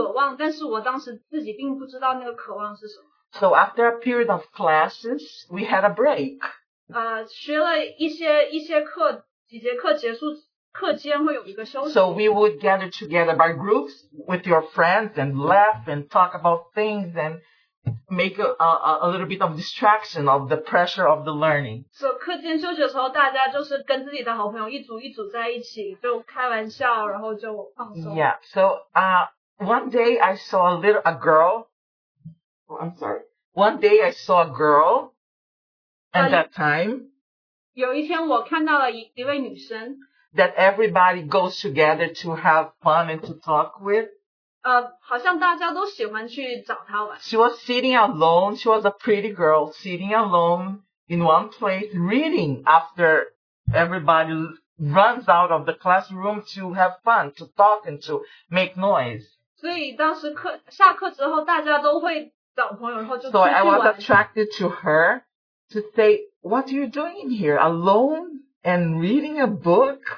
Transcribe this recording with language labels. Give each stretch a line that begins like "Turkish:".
Chinese: 当时在我心里面有一个渴望，但是我当时自己并不知道那个渴望是什么。
English: So after a period of classes, we had a break.
Chinese: 学了一些课，几节课结束，课间会有一个休息。
English: So we would gather together by groups with your friends and laugh and talk about things and make a little bit of distraction of the pressure of the learning. So
Chinese: 课间休息的时候，大家就是跟自己的好朋友一组一组在一起，就开玩笑，然后就放松。
English: Yeah. So one day I saw a little a girl. Oh, I'm sorry. One day I saw a girl. At that time,
Chinese: 有一天我看到了一位女生
English: that everybody goes together to have fun and to talk with.
Chinese: 好像大家都喜欢去找她玩。
English: She was sitting alone. She was a pretty girl sitting alone in one place reading after everybody runs out of the classroom to have fun, to talk and to make noise.
Chinese: 所以当时课下课之后，大家都会找朋友，然后就出去玩。
English: So I was attracted to her. To say, what are you doing here, alone and reading a book?